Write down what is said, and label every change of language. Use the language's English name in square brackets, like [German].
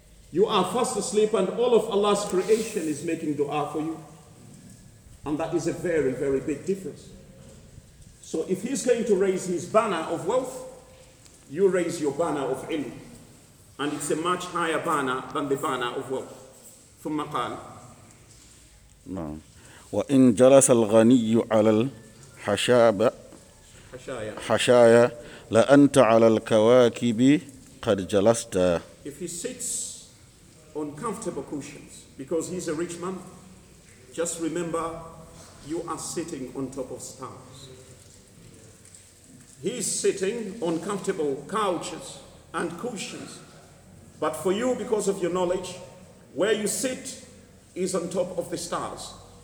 [English] You are fast asleep and all of Allah's creation is making dua for you. And that is a very, very big difference. So if he's going to raise his banner of wealth, you raise your banner of ilm. And it's a much higher banner than the banner of wealth. [Arabic] ثم قال. [English] No. [Arabic] وإن جلس الغني على الحشاب حشايا لأنت على الكواكب قد جلست. [English] If he sits on comfortable cushions because he's a rich man, just remember you are sitting on top of stars. He's sitting on comfortable couches and cushions, but for you, because of your knowledge, where you sit is on top of the stars.